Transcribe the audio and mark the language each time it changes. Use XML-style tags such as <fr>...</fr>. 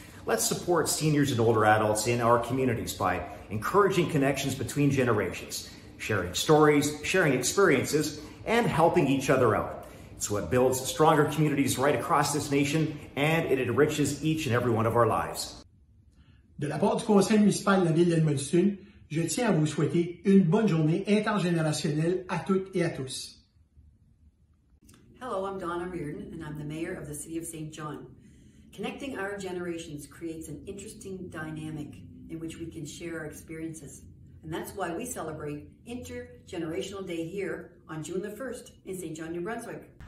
<en>Let's support seniors and older adults in our communities by encouraging connections between generations, sharing stories, sharing experiences, and helping each other out. It's what builds stronger communities right across this nation, and it enriches each and every one of our lives.</en> <fr>De la part du conseil municipal de la ville d'Edmundston, je tiens à vous souhaiter une bonne journée intergénérationnelle à toutes et à tous.</fr> <en>Hello, I'm Donna Reardon, and I'm the mayor of the city of St. John. Connecting our generations creates an interesting dynamic in which we can share our experiences. And that's why we celebrate Intergenerational Day here on June the 1st in St. John, New Brunswick.</en>